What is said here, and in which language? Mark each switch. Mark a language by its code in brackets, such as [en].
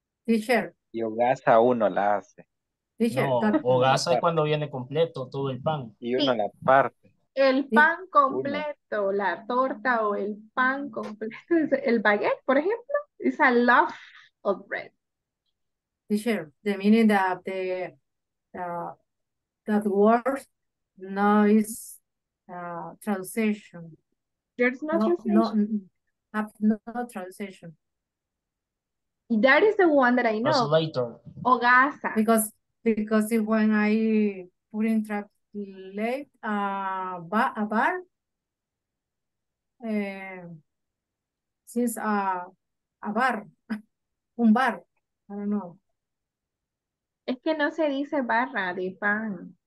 [en] T-shirt. [es] Y hogaza uno la hace. No, hogaza es cuando viene completo todo el pan. Y uno la parte. El pan completo, la torta o el pan completo. El baguette, por ejemplo, [en] is a loaf of bread. Teacher, the meaning that that word no is translation. There's no translation. No translation. That is the one that I know. Translator. [es] Hogaza. [en] Because when I put in translate a bar, since a bar, [es] un bar, [en] I don't know. [es] Es que no se dice barra de pan.